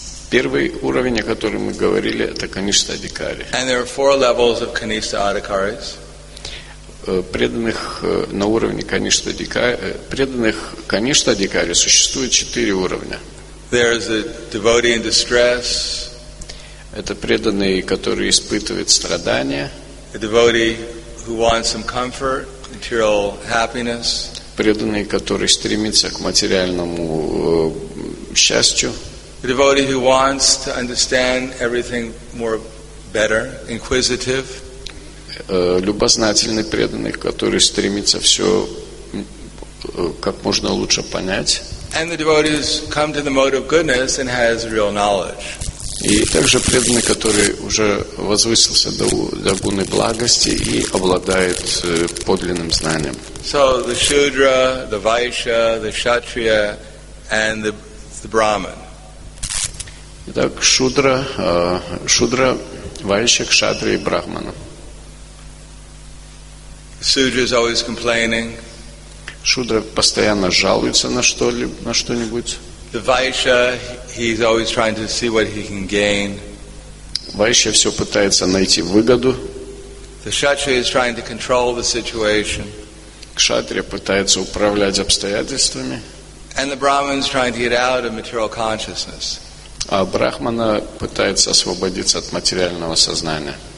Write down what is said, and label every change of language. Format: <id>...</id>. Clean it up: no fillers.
<ru>Первый уровень, о котором мы говорили, это Каништа Адикари.</ru> <en>And there are four levels of Kanishta Adhikaris.</en> <ru>Преданных на уровне Каништа Адикари, преданных Каништа Адикари существует четыре уровня.</ru> <en>There is a devotee in distress.</en> <ru>Это преданный, который испытывает страдания.</ru> <en>A devotee who wants some comfort, material happiness.</en> <ru>Преданный, который стремится к материальному счастью.</ru> <en>A devotee who wants to understand everything more better, inquisitive.</en> <ru>Любознательный преданный, который стремится все как можно лучше понять.</ru> <en>And the devotees come to the mode of goodness and has real knowledge.</en> <ru>И также преданный, который уже возвысился до гуны благости и обладает подлинным знанием.</ru> <en>So the Shudra, the Vaishya, the Kshatriya, and the Brahman.</en> <ru>Итак, Шудра, Вайшья, Кшатрия и Брахмана.</ru> <en>Shudra is always complaining.</en> <ru>Шудра постоянно жалуется на что-нибудь.</ru> <en>The Vaishya, he's always trying to see what he can gain.</en> <ru>Вайшья все пытается найти выгоду.</ru> <en>The Kshatriya is trying to control the situation.</en> <ru>Кшатрия пытается управлять обстоятельствами.</ru> <en>And the Brahman is trying to get out of material consciousness.</en> <ru>А Брахмана пытается освободиться от материального сознания.</ru>